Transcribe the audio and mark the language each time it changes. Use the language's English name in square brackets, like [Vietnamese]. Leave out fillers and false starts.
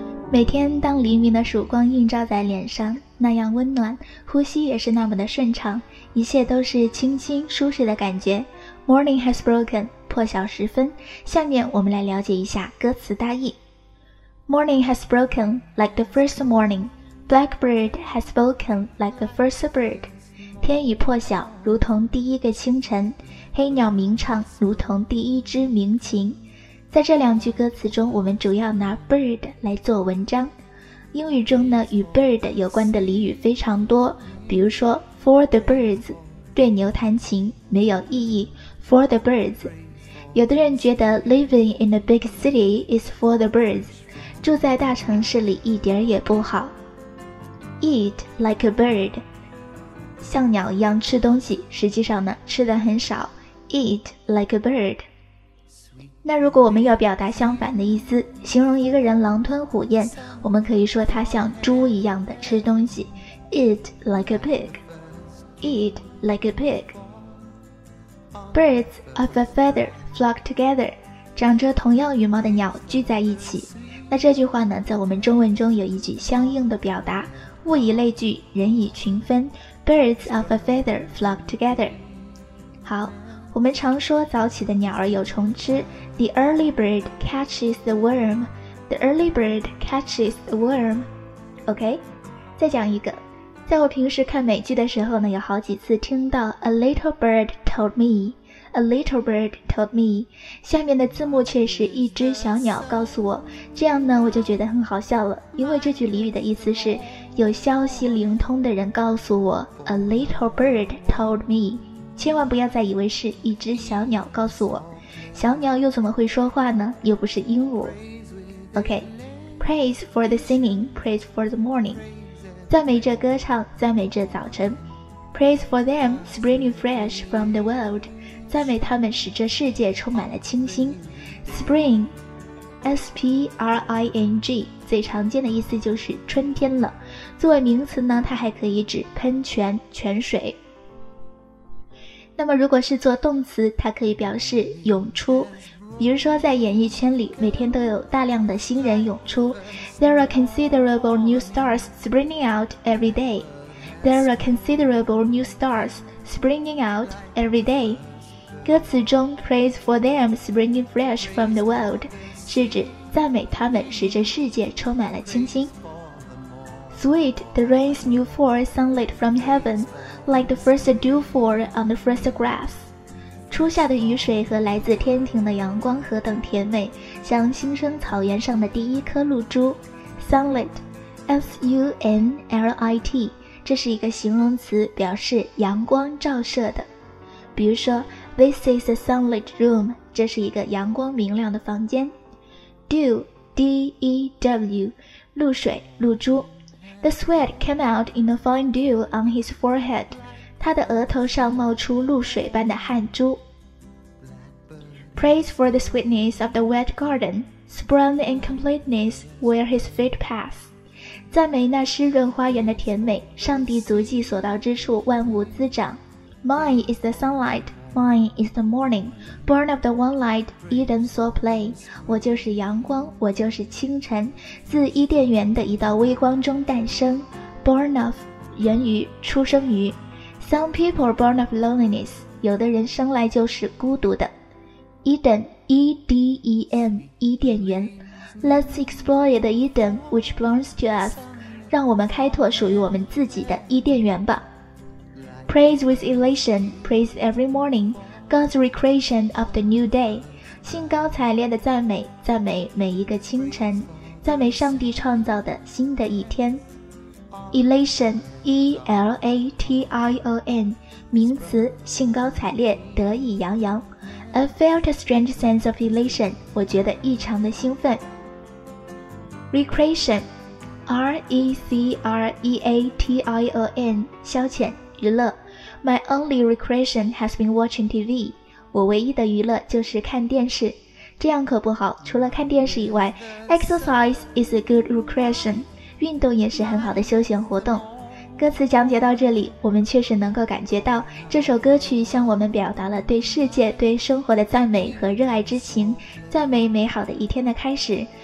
[Chinese] 每天当黎明的曙光映照在脸上，那样温暖，呼吸也是那么的顺畅，一切都是清新舒适的感觉。 [English] Morning has broken， [Chinese] 破晓时分。下面我们来了解一下歌词大意。 [English] Morning has broken like the first morning. Blackbird has spoken like the first bird. [Chinese] 天已破晓，如同第一个清晨，黑鸟鸣唱，如同第一只鸣禽。在这两句歌词中，我们主要拿 bird 来做文章。英语中呢，与 bird 有关的俚语非常多，比如说 [English] for the birds， [Chinese] 对牛弹琴没有意义， for the birds。有的人觉得 [English] living in a big city is for the birds， [Chinese] 住在大城市里一点也不好。 [English] eat like a bird， [Chinese] 像鸟一样吃东西，实际上呢吃的很少。 eat like a bird。那如果我们要表达相反的意思，形容一个人狼吞虎咽，我们可以说他像猪一样的吃东西， [English] Eat like a pig. Eat like a pig. Birds of a feather flock together. [Chinese] 长着同样羽毛的鸟聚在一起。那这句话呢，在我们中文中有一句相应的表达，物以类聚，人以群分， [English] Birds of a feather flock together. [Chinese] 好，我们常说早起的鸟儿有虫吃， [English] The early bird catches the worm. The early bird catches the worm. OK? [Chinese] 再讲一个，在我平时看美剧的时候呢，有好几次听到 [English] A little bird told me. A little bird told me. [Chinese] 下面的字幕却是一只小鸟告诉我，这样呢我就觉得很好笑了，因为这句俚语的意思是有消息灵通的人告诉我， [English] A little bird told me. [Chinese] 千万不要再以为是一只小鸟告诉我，小鸟又怎么会说话呢？又不是鹦鹉。 [English] OK, praise for the singing, praise for the morning, [Chinese] 赞美这歌唱，赞美这早晨。 [English] Praise for them springing fresh from the world, [Chinese] 赞美他们使这世界充满了清新。 Spring, S-P-R-I-N-G, 最常见的意思就是春天了，作为名词呢，它还可以指喷泉、泉水。那么如果是做动词，它可以表示涌出，比如说在演艺圈里每天都有大量的新人涌出， [English] There are considerable new stars springing out every day. There are considerable new stars springing out every day. [Chinese] 歌词中 [English] praise for them springing fresh from the world [Chinese] 是指赞美他们使这世界充满了清新。 [English] Sweet the rain's new fall sunlight from heavenLike the first dewfall on the first grass. [Chinese] 初夏的雨水和来自天庭的阳光何等甜美，像新生草原上的第一颗露珠。 Sunlit, S-U-N-L-I-T, 这是一个形容词，表示阳光照射的。比如说 [English] This is a sunlit room, [Chinese] 这是一个阳光明亮的房间。 Dew, D-E-W, 露水露珠。 [English] The sweat came out in a fine dew on his forehead. [Chinese] 他的额头上冒出露水般的汗珠。 [English] Praise for the sweetness of the wet garden, sprung in completeness where his feet pass. [Chinese] 赞美那湿润花园的甜美，上帝足迹所到之处万物滋长。 [English] Mine is the sunlight, mine is the morning, born of the one light, Eden saw play. [Chinese] 我就是阳光，我就是清晨，自伊甸园的一道微光中诞生。 Born of, 源于，出生于。 [English] Some people are born of loneliness, [Chinese] 有的人生来就是孤独的。 Eden, E-D-E-N, 伊甸园。 [English] Let's explore the Eden which belongs to us. [Chinese] 让我们开拓属于我们自己的伊甸园吧。 [English] Praise with elation, praise every morning, God's recreation of the new day. [Chinese] 兴高采烈的赞美，赞美每一个清晨，赞美上帝创造的新的一天。 Elation, E-L-A-T-I-O-N, 名词，兴高采烈，得意洋洋。 [English] I felt a strange sense of elation, [Chinese] 我觉得异常的兴奋。 Recreation, R-E-C-R-E-A-T-I-O-N, 消遣。娱乐 [English] My only recreation has been watching TV. [Chinese] 我唯一的娱乐就是看电视。这样可不好，除了看电视以外， [English] Exercise is a good recreation. [Chinese] 运动也是很好的休闲活动。歌词讲解到这里，我们确实能够感觉到这首歌曲向我们表达了对世界、对生活的赞美和热爱之情，赞美美好的一天的开始。